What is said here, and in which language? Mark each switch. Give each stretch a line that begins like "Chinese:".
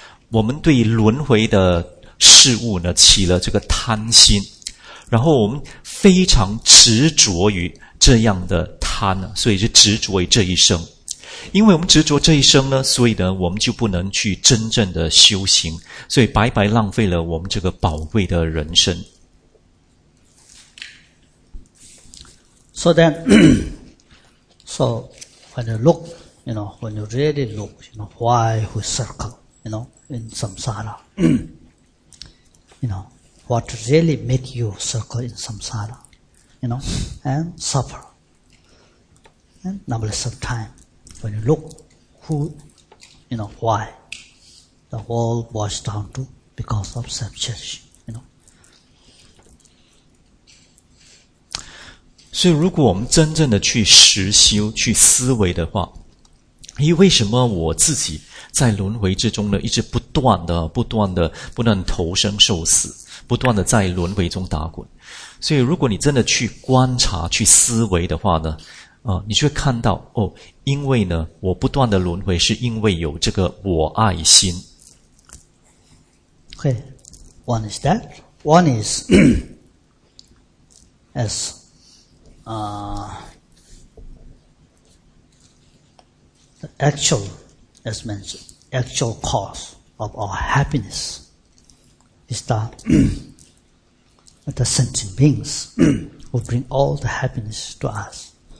Chinese: 我们对轮回的事物呢起了这个贪心，然后我们非常执着于这样的贪，所以就执着于这一生。因为我们执着这一生呢，所以呢我们就不能去真正的修行，所以白白浪费了我们这个宝贵的人生。
English: So then so when you look, you know, when you really look, you know, why we circle, you knowin samsara, you know, what really make you circle in samsara, you know, and suffer. And numberless of time, when you look, who, you know, why, the whole boils down to because of self-cherishing, you know.
Chinese: 所以如果我们真正的去实修，去思维的话，因为什么我自己在轮回之中呢，一直不断投生受死，不断的在轮回中打滚。所以如果你真的去观察，去思维的话呢，你就会看到，哦，因为呢，我不断的轮回是因为有这个我爱心。
English: Okay, one is that. One is, as, actual cause of our happiness is the sentient beings who bring all the happiness to us.